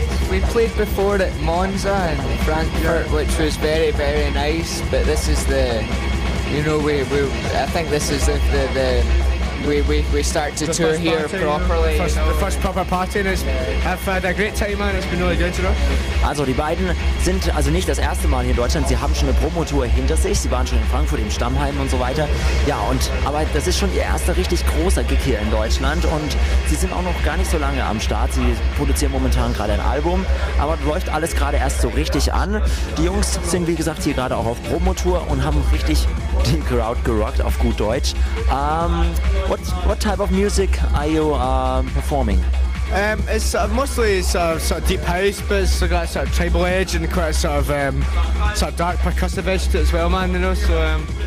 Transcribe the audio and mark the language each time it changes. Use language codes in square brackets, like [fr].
[en] We played before at Monza in Frankfurt, yeah, which was very, very nice, but this is the, you know, we start to the tour here party, properly. You know, the first proper party, and I've had a great time, man. It's been really good, you know. [de] Also, die beiden sind also nicht das erste Mal hier in Deutschland. Sie haben schon eine Promotour hinter sich. Sie waren schon in Frankfurt im Stammheim und so weiter. Ja, und aber das ist schon ihr erster richtig großer Gig hier in Deutschland. Und sie sind auch noch gar nicht so lange am Start. Sie produzieren momentan gerade ein Album, aber läuft alles gerade erst so richtig an. Die Jungs sind wie gesagt hier gerade auch auf Promotour und haben richtig die Crowd gerockt auf gut Deutsch. [en] What type of music are you performing? It's mostly deep house, but it's got a sort of tribal edge and quite a sort of dark percussive edge to it as well, man, you know, so